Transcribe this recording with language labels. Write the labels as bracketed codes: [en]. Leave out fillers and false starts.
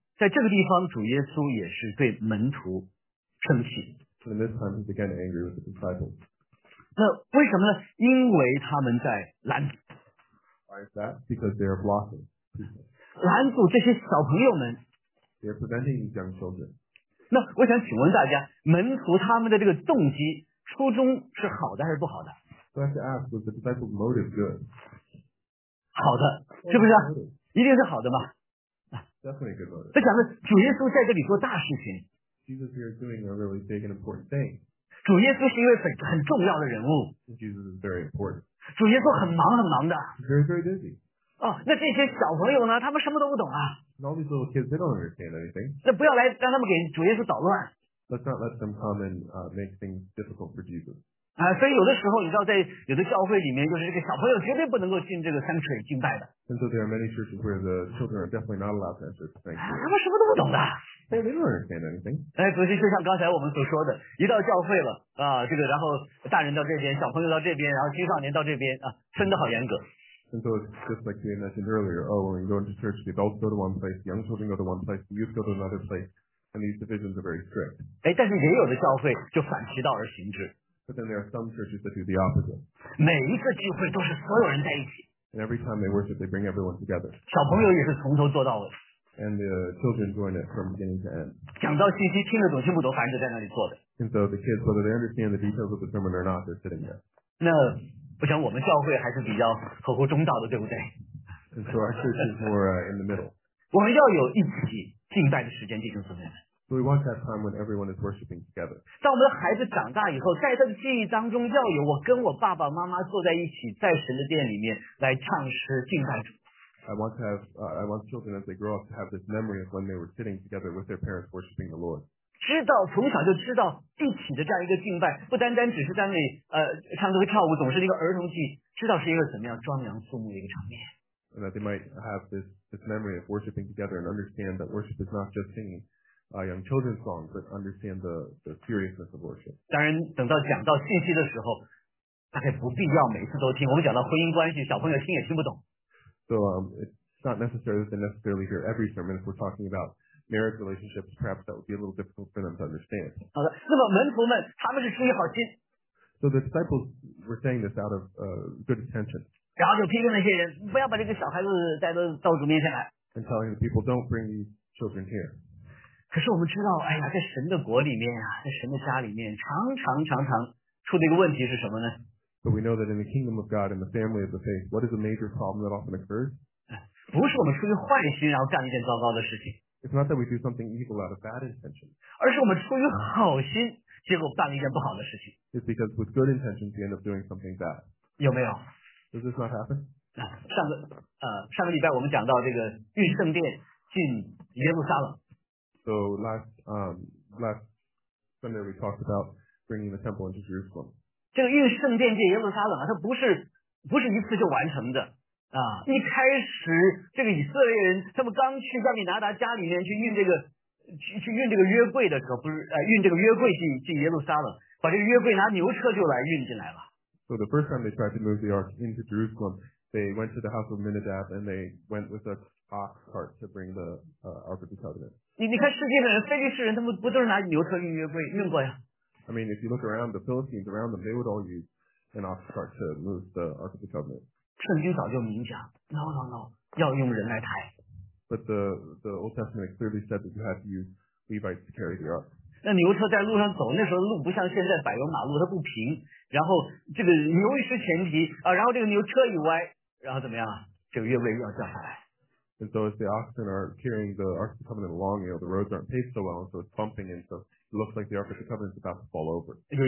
[zh] 在这个地方主耶稣也是对门徒生气。 [en] And this time he began angry with the disciples. [zh] 那为什么呢？因为他们在拦阻。 [en] Why is that? Because they are blocking people. [zh] 拦阻这些小朋友们。 [en] They are preventing these young children. [zh] 那我想请问大家，门徒他们的这个动机初衷是好的还是不好的？ [en] So I have to ask, was the disciples' motive good? [zh] 好的，是不是？一定是好的嘛。他讲的主耶稣在这里做大事情。 [en] Jesus here is doing a really big and important thing. [zh] 主耶稣是一位很重要的人物。 [en] Jesus is very important. [zh] 主耶稣很忙很忙的。 [en] Very very busy. [zh] 哦，那这些小朋友呢？他们什么都不懂啊。 [en] All these little kids, they don't understand anything. [zh] 那不要来让他们给主耶稣捣乱。 [en] Let's not let them come and make things difficult for Jesus. [zh] 啊，所以有的时候你知道，在有的教会里面，就是这个小朋友绝对不能够进这个 sanctuary 敬拜的。 [en] And so there are many churches where the children are definitely not allowed to enter the sanctuary. [zh] 他们什么都不懂的。 [en] They don't understand anything. [zh] 哎，尤其就像刚才我们所说的，一到教会了啊，这个然后大人到这边，小朋友到这边，然后青少年到这边啊，分得好严格。 [en] And so it's just like you mentioned earlier. Oh, when you go into church, the adults go to one place, the young children go to one place, the youth go to another place, and these divisions are very strict. [zh] 哎，但是也有的教会就反其道而行之。 [en] But then there are some churches that do the opposite. [zh] 每一个聚会都是所有人在一起。 [en] And every time they worship, they bring everyone together. [zh] 小朋友也是从头做到尾。 [en] And the children join it from beginning to end. [zh] 讲到信息听得懂听不懂，反正就在那里坐着。 [en] And so the kids, whether they understand the details of the sermon or not, they're sitting there. [zh] 那我想我们教会还是比较合乎中道的，对不对？ [en] And so our church is more in the middle. [zh] 我们要有一起敬拜的时间，弟兄姊妹们。 [en] So we want that time when everyone is worshiping together. [zh] 当我们的孩子长大以后，在他的记忆当中要有我跟我爸爸妈妈坐在一起，在神的殿里面来唱诗敬拜主。 [en] I want children as they grow up to have this memory of when they were sitting together with their parents worshiping the Lord. [zh] 知道从小就知道一起的这样一个敬拜，不单单只是在那里唱歌跳舞，总是一个儿童剧，知道是一个怎么样庄严肃穆的一个场面。 [en] And that they might have this memory of worshiping together and understand that worship is not just singing. Young children's songs, but understand the seriousness of worship. [zh] 当然，等到讲到信息的时候，大概不必要每次都听。我们讲到婚姻关系，小朋友听也听不懂。 [en] So it's not necessary that they necessarily hear every sermon. If we're talking about marriage relationships, perhaps that would be a little difficult for them to understand. [zh] 好的，那么门徒们他们是出于好心。 [en] So the disciples were saying this out of good intention. [zh] 然后就批评那些人，不要把这个小孩子带到主面前来。 [en] And telling the people, don't bring these children here. [zh] 可是我们知道，哎呀，在神的国里面啊，在神的家里面，常常出的一个问题是什么呢？ [en] But we know that in the kingdom of God, in the family of the faith, what is a major problem that often occurs? [zh] 不是我们出于坏心然后干一件糟糕的事情。 [en] It's not that we do something evil out of bad intention. [zh] 而是我们出于好心，结果干了一件不好的事情。 [en] It's because with good intentions, we end up doing something bad. [zh] 有没有？ [en] Does this not happen? [zh] 上个礼拜我们讲到这个御圣殿进耶路撒冷。 [en] So last Sunday we talked about bringing the temple into Jerusalem. [zh] 这个御圣殿进耶路撒冷啊，它不是一次就完成的啊。一开始这个以色列人他们刚去亚比拿达家里面去运这个去运这个约柜的时候，不是运这个约柜进耶路撒冷，把这个约柜拿牛车就来运进来了。 [en] So the first time they tried to move the ark into Jerusalem, they went to the house of Minadab and they went with a ox cart to bring the Ark of the Covenant. [zh] 你看世界的人，非利士人，他们不都是拿牛车运过呀？ [en] I mean, if you look around the Philistines around them, they would all use an ox cart to move the Ark of the Covenant. [zh] 圣经早就明讲， no, 要用人来抬。 [en] But the Old Testament clearly said that you had to use Levites to carry the ark. [zh] 那牛车在路上走，那时候路不像现在柏油马路，它不平。然后这个牛一时前蹄，然后这个牛车一歪，然后怎么样，这个月位要掉下来。 [en] And so as the oxen are carrying the Ark of the Covenant along, you know, the roads aren't paved so well, and so it's bumping, and so it looks like the Ark of the Covenant is about to fall over.